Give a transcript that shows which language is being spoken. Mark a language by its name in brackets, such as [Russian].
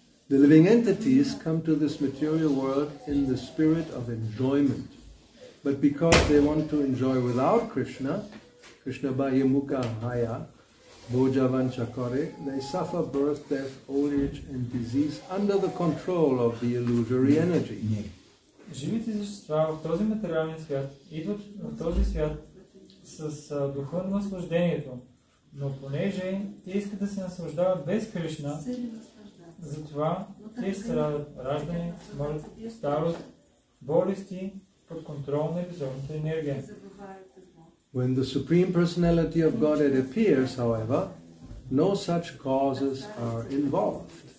[English] The living entities come to this material world in the spirit of enjoyment. But because they want to enjoy without Krishna, [Sanskrit] Krishna Bahimukha Haya, Bhojavan Chakore, [English] they suffer birth, death, old age and disease under the control of the illusory energy. [Bulgarian] Живите същества в този материален свят идват в този свят с духа на наслаждението. Но понеже те искат да се наслаждават без Кришна, затова те страдат раждане, смърт, старост, болести под контрол на визионната енергия. [English] When the Supreme Personality of Godhead appears, however, no such causes are involved.